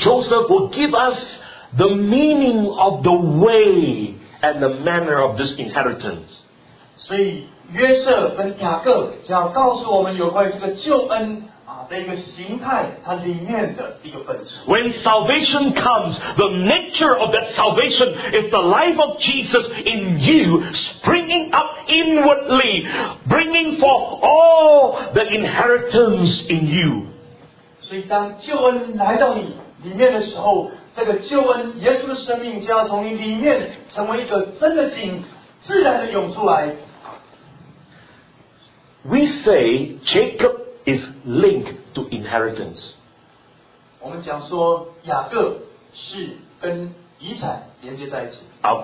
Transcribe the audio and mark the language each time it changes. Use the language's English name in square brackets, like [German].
[English] and Joseph will give us the meaning of the way and the manner of this inheritance. [Chinese] 所以约瑟跟雅各将要告诉我们有关于这个救恩的一个形态，它里面的一个本质。 [English] When salvation comes, the nature of that salvation is the life of Jesus in you, springing up inwardly, bringing forth all the inheritance in you. [Chinese] 所以当救恩来到你里面的时候，这个救恩耶稣的生命就要从你里面成为一个真的井，自然的涌出来。 [English] We say Jacob is linked to inheritance. [Chinese] 我们讲说雅各是跟遗产连接在一起。 [English] I'll